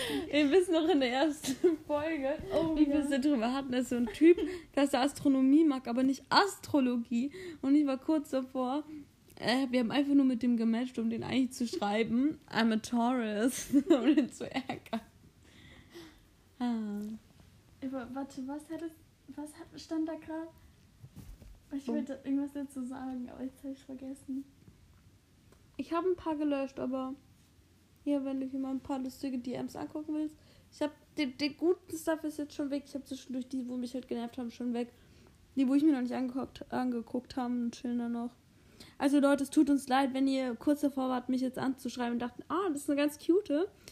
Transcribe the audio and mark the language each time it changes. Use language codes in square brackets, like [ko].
[de] Wir wissen noch in der ersten Folge, oh, wie wir es darüber hatten, dass so ein Typ, dass er Astronomie mag, aber nicht Astrologie. Und ich war kurz davor, wir haben einfach nur mit dem gematcht, um den eigentlich zu schreiben. [en] I'm a Taurus, [de] um den zu ärgern. Ah. Warte, was stand da gerade? Ich wollte irgendwas dazu sagen, aber jetzt habe ich es vergessen. Ich habe ein paar gelöscht, aber hier, wenn du hier mal ein paar lustige DMs angucken willst. Ich habe den guten Stuff ist jetzt schon weg. Ich habe zwischendurch die, wo mich halt genervt haben, schon weg. Die, wo ich mir noch nicht angeguckt habe, chillen da noch. Also Leute, es tut uns leid, wenn ihr kurz davor wart, mich jetzt anzuschreiben und dachten, ah, das ist eine ganz cute.